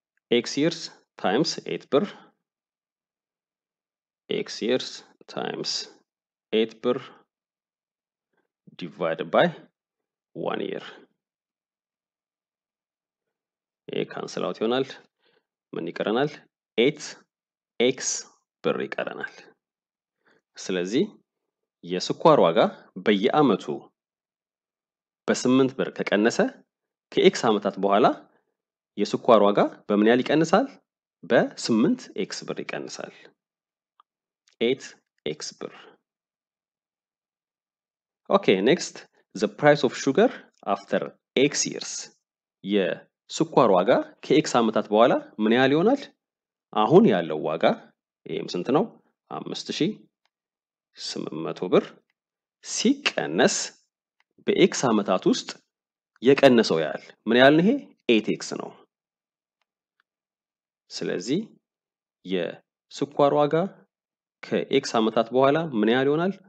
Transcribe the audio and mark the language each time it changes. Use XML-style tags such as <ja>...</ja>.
<en>x years times 8 ብር x years times 8 birr divided by 1 year a cancel out</en> <am>ይሆናል። ምን ይቀርናል? 8x birr ይቀርናል። ስለዚህ የስኳር ዋጋ በየአመቱ በ8 birr ከቀነሰ ከx አመታት በኋላ የስኳር ዋጋ በምን ያህል ይቀንሳል? በ8x birr ይቀንሳል። 8x birr.</am> <en>Okay, next, the price of sugar after x years. የ</en> <am>ስኳር ዋጋ ከX አመታት በኋላ ምን ያህል ይሆናል? አሁን ያለው ዋጋ ይሄም ስንት ነው? 5800 ብር ሲቀነስ በX አመታት ውስጥ የቀነሰው ያህል ምን ያህል ነው? ይሄ 8X ነው። ስለዚህ የስኳር ዋጋ ከX አመታት በኋላ ምን ያህል ይሆናል?</am>